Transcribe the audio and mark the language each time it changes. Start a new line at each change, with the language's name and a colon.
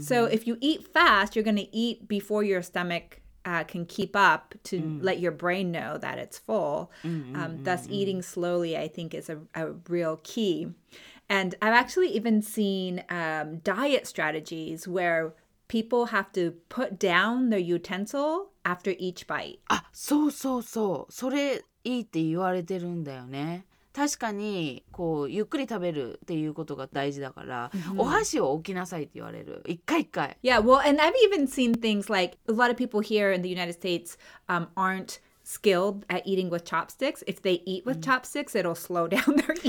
English: So if you eat fast, you're going to eat before your stomach can keep up to let your brain know that it's full. Thus, eating slowly, I think, is a real key. And I've actually even seen diet strategies where people have to put down their utensil after each bite.
Japanese: あ、そうそうそう。それいいって言われてるんだよね。確かにこうゆっくり食べるっていうことが大事だから、mm-hmm. お箸を置きなさいって言われる。一回一回。
English: Yeah, well, and I've even seen things like a lot of people here in the United States aren't skilled at eating with chopsticks. If they eat with chopsticks, it'll slow down their eating.